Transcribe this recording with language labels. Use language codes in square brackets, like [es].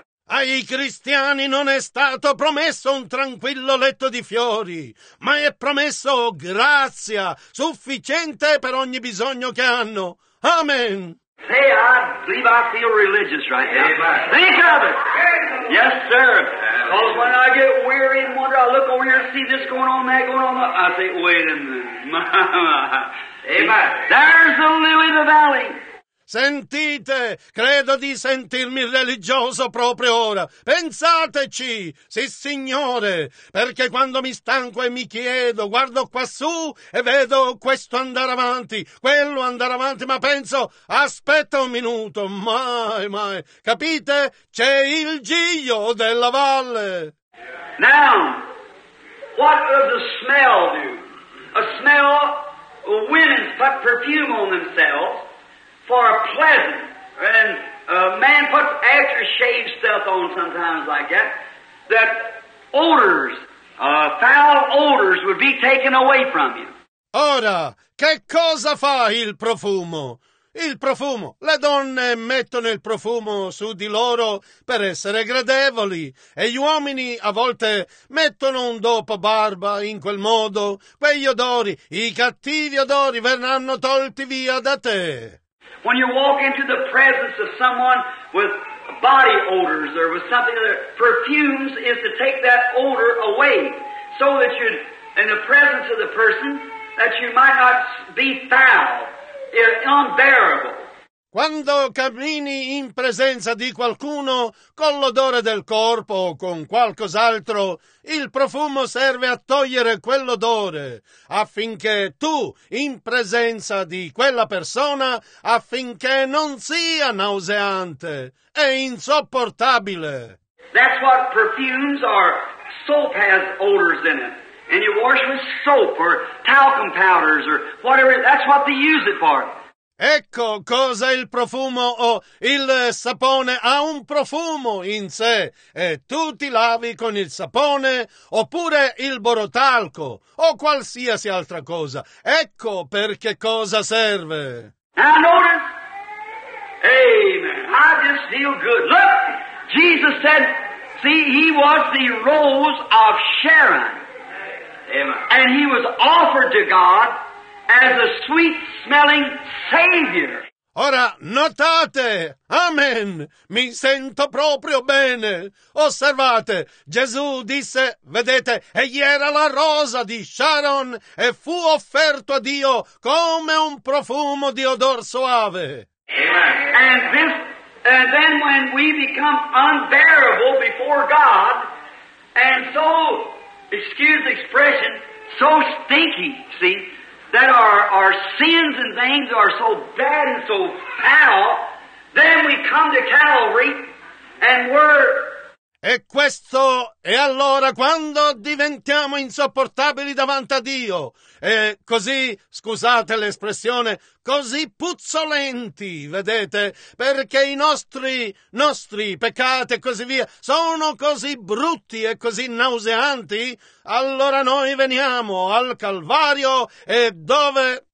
[it] Ai cristiani non è stato promesso un tranquillo letto di fiori, ma è promesso grazia sufficiente per ogni bisogno che hanno. Amen. [en] Say, I believe I feel religious right now. Think of it. Yes, sir. Because when I get weary and wonder, I look over here and see this going on, that going on, I say, wait a minute. Amen. There's the lily of the valley. [it] Sentite, credo di sentirmi religioso proprio ora. Pensateci, sì signore, perché quando mi stanco e mi chiedo, guardo quassù e vedo questo andare avanti, quello andare avanti, ma penso, aspetta un minuto, mai, mai. Capite? C'è il giglio della valle. [en] Now, what does the smell do? A smell, women put perfume on themselves. For a pleasant, and a man puts aftershave stuff on sometimes like that, that odors, foul odors would be taken away from you. [it] Ora, che cosa fa il profumo? Il profumo. Le donne mettono il profumo su di loro per essere gradevoli e gli uomini a volte mettono un dopo barba in quel modo. Quegli odori, i cattivi odori, verranno tolti via da te. [en] When you walk into the presence of someone with body odors or with something other, perfumes is to take that odor away so that you, in the presence of the person, that you might not be foul, unbearable. [it] Quando cammini in presenza di qualcuno con l'odore del corpo o con qualcos'altro, il profumo serve a togliere quell'odore, affinché tu, in presenza di quella persona, affinché non sia nauseante e insopportabile. [en] That's what perfumes are. Soap has odors in it. And you wash with soap or talcum powders or whatever. That's what they use it for. [it] Ecco cosa il profumo o il sapone ha un profumo in sé e tu ti lavi con il sapone oppure il borotalco o qualsiasi altra cosa. Ecco per che cosa serve. [en] Now notice. Amen. I just feel good. Look, Jesus said, see, he was the rose of Sharon. Amen. And he was offered to God as a sweet-smelling Savior. [it] Ora, notate, amen, mi sento proprio bene. Osservate, Gesù disse, vedete, egli era la rosa di Sharon e fu offerto a Dio come un profumo di odor soave. Amen. [en] And this, and then when we become unbearable before God, and so, excuse the expression, so stinky, see, that our sins and things are so bad and so foul, then we come to Calvary and we're... [it] E questo, e allora, quando diventiamo insopportabili davanti a Dio, e così, scusate l'espressione, così puzzolenti, vedete, perché i nostri peccati e così via sono così brutti e così nauseanti, allora noi veniamo al Calvario e dove...